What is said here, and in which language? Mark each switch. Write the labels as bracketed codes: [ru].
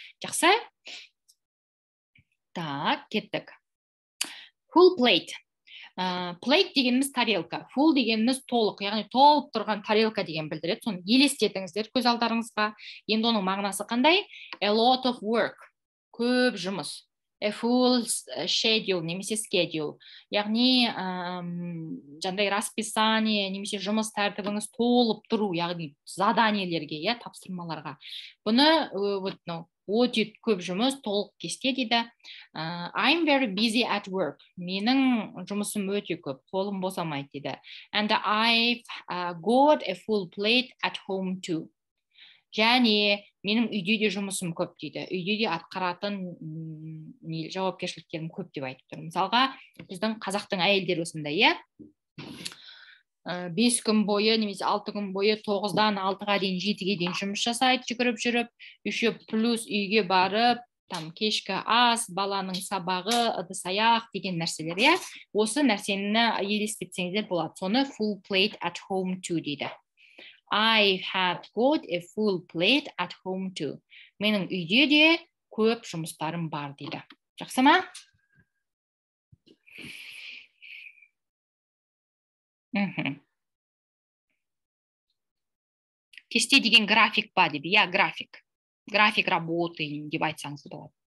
[kk] Жақсы? Так, кеттік. [en] Full plate. [kk] Plate дегеніміз тарелка. Full дегеніміз толық. Яғни толып тұрған тарелка деген білдіреді. Соны елестетіңіздер көз алдарыңызға. Енді оның мағынасы қандай? [en] A lot of work. [kk] Көп жұмыс. [en] A full schedule, [kk] немесе [en] schedule. [kk] Яғни, жандай расписание, немесе жұмыс тәртібіңіз толып тұру, яғни заданиелерге, я, тапсырмаларға. Бұны, өте көп жұмыс толық кесте дейді. [en] I'm very busy at work. [kk] Менің жұмысым өте көп, қолым босамай дейді. [en] And I've got a full plate at home too. [kk] Және менің үйде де жұмысым көп дейді. Үйде де атқаратын жауапкершіліктерім көп деп айтып тұрмын. Мысалға, біздің қазақтың әйелдері осында, иә? 5 күн бойы, немесе 6 күн бойы 9-дан 6-ға дейін, 7-ге дейін жұмыс жасайды, жүгіріп жүріп, [ru] еще плюс [kk] үйге барып, там кешкі ас, баланың сабағы, ыдыс аяқ деген нәрселер, иә? Осы нәрсені елестетсеңіздер болады. Соны [en] full plate at home too дейді. I have got a full plate at home too. [kk] Менің үйде де көп жұмыстарым бар дейді. Жақсы ма? Кесте деген график ба деп? Я, график. [ru] График работы [kk] деп айтсаңыз болады.